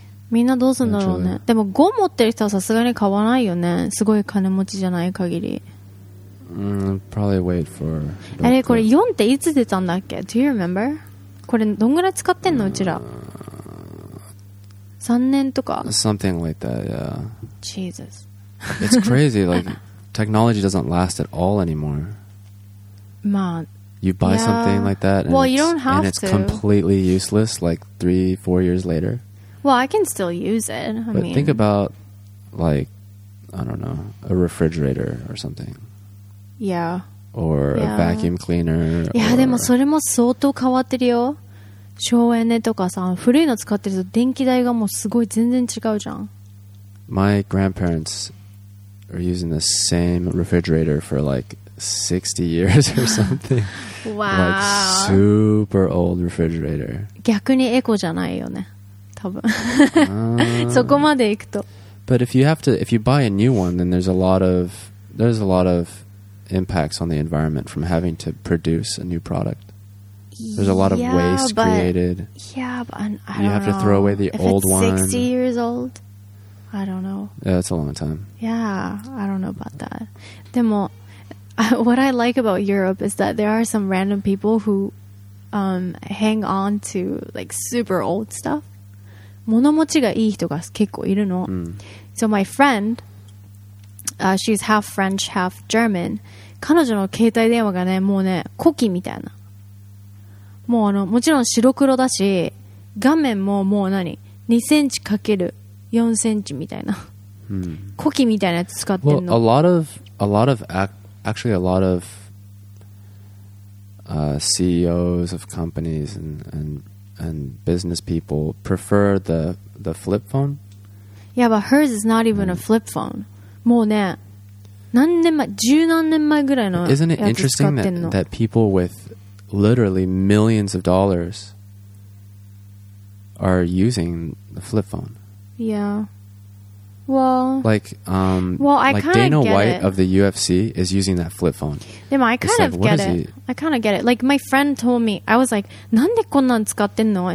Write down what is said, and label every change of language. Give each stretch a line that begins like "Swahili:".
Japanese: みんなどうするんだろうね。でも5持ってる人はさすがに買わないよね。すごい金持ちじゃない限り。
English: Probably wait for...
Japanese: あれ、これ4っていつ出たんだっけ?
English: Do you remember?
Japanese: これどんぐらい使ってんのうちら3年とか
English: something like that yeah Jesus it's crazy like technology doesn't last at all anymore
Japanese: まあ
English: you buy something like that and well it's, you don't have and it's completely useless like 3-4 years later well I can still use it I but mean, think about like I don't know a refrigerator or something yeah Or a vacuum cleaner.
Japanese: Yeah, でもそれも相当変わってるよ。省エネとかさ、古いの使ってると電気代がもうすごい全然違うじゃん。
English: My grandparents are using the same refrigerator for like 60 years or something. Wow. Like super old refrigerator.
Japanese: 逆にエコじゃないよね。多分。そこまでいくと。
English: But if you buy a new one, then there's a lot of impacts on the environment from having to produce a new product. There's a lot of waste created. Yeah, but I don't know. You have to throw away the old one. If it's 60 years old, I don't know. Yeah, that's a long time. Yeah, I don't know about that. でも, what I like about Europe is that there are some random people who hang on to like super old stuff.
Japanese: 物持ちがいい人が結構いるの。 Mm.
English: So my friend... she's half French, half German.
Japanese: 彼女の携帯電話がね、もうね、古希みたいな。もうあの、もちろん白黒だし、画面ももう何 ?2 センチかける4センチみたいな。古希みたいなやつ使ってんの。
English: Well, a lot of actually a lot of, CEOs of companies and business people prefer the flip phone. Yeah, but hers is not even a flip phone.
Japanese: もうね、何年前、十何年前ぐらいのやつ使ってんの。
English: Isn't it interesting that people with literally millions of dollars are using the flip phone. Yeah. Well, Dana White of the UFC is using that flip phone. Yeah, I kind of get it. I kind of get it. Like, my friend told me, I was like, "Nande konnan tsukattenno?"